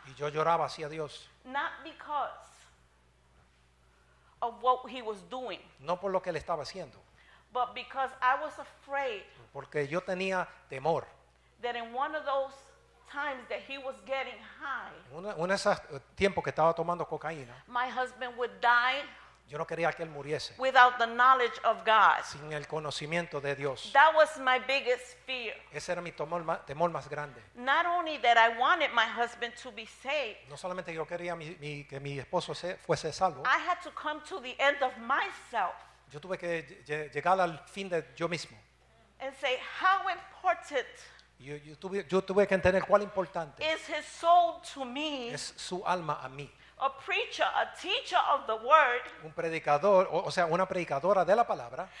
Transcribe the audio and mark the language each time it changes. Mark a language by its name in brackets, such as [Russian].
[Spanish] Y yo lloraba hacia Dios. [English] Not because of what he was doing. [Spanish] No por lo que él estaba haciendo. [English] But because I was afraid. [Spanish] Porque yo tenía temor. [English] That in one of those times that he was getting high. [Spanish] Uno de esos tiempos que estaba tomando cocaína. [English] My husband would die. [Spanish] Yo no quería que él muriese. [English] Without the knowledge of God. [Spanish] Sin el conocimiento de Dios. [English] That was my biggest fear. [Spanish] Ese era mi temor más grande. [English] Not only that I wanted my husband to be saved. [Spanish] No solamente yo quería que mi esposo fuese salvo. [English] I had to come to the end of myself. [Spanish] Yo tuve que llegar al fin de yo mismo. [English] And say how important. [Spanish] Yo tuve que entender cuál importante [English] is his soul to me, [Spanish] es su alma a mí. [English] A preacher, a teacher of the word, [Spanish] un predicador, o sea, una predicadora de la palabra,